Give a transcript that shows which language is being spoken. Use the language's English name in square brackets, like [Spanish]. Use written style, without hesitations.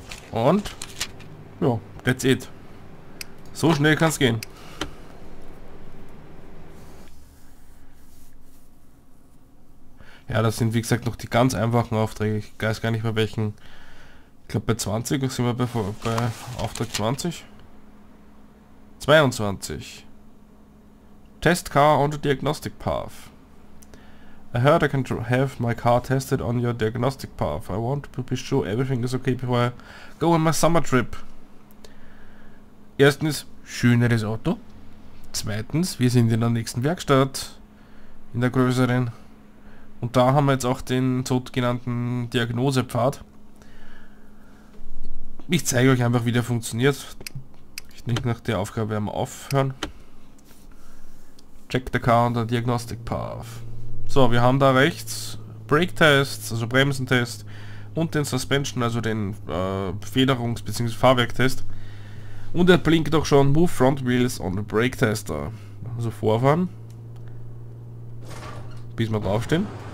[German] Und? Ja, [English] that's it. [German] So schnell kann es gehen. Ja, das sind wie gesagt noch die ganz einfachen Aufträge. Ich weiß gar nicht mehr welchen. Ich glaube bei 20 sind wir bei Auftrag 20. 22. [English] Test car on the diagnostic path. I heard I can have my car tested on your diagnostic path. I want to be sure everything is okay before I go on my summer trip. [German] Erstens, schöneres Auto. Zweitens, wir sind in der nächsten Werkstatt. In der größeren. Und da haben wir jetzt auch den sogenannten Diagnosepfad. Ich zeige euch einfach, wie der funktioniert. Nicht nach der Aufgabe werden wir aufhören. [English] Check the car on the diagnostic path. [German] So, wir haben da rechts Brake Tests, also Bremsentest und den Suspension, also den Federungs- bzw. Fahrwerktest. Und er blinkt auch schon [English] Move Front Wheels on the Brake Tester. [German] Also vorfahren. Bis wir draufstehen.